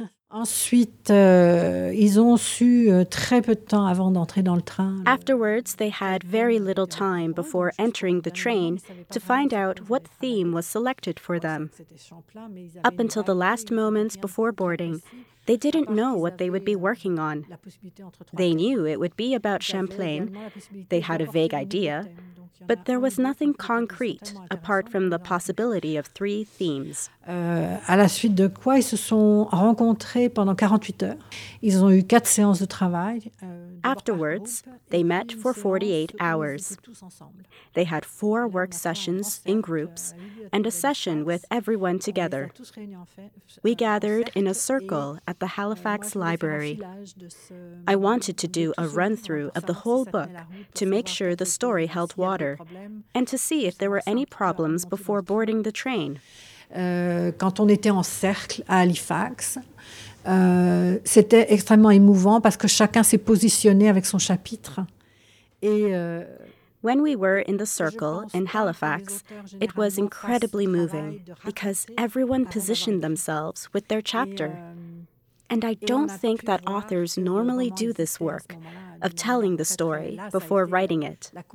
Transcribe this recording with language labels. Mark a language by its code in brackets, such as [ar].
[fr] Ensuite, ils ont su très peu de temps avant d'entrer dans le train. [en] Afterwards, they had very little time before entering the train to find out what theme was selected for them. Up until the last moments before boarding, they didn't know what they would be working on. They knew it would be about Champlain. They had a vague idea. But there was nothing concrete apart from the possibility of three themes. [fr] À la suite de quoi ils se sont rencontrés pendant 48 heures. Ils ont eu quatre séances de travail. [en] Afterwards, they met for 48 hours. They had four work sessions in groups and a session with everyone together. We gathered in a circle at the Halifax Library. I wanted to do a run-through of the whole book to make sure the story held water and to see if there were any problems before boarding the train. [fr] Quand on était en cercle à Halifax, c'était extrêmement émouvant parce que chacun s'est positionné avec son chapitre. [en] Et, when we were in the circle in Halifax, it was incredibly moving because everyone positioned themselves with their chapter. And I don't think that authors normally do this work of telling the story before writing it.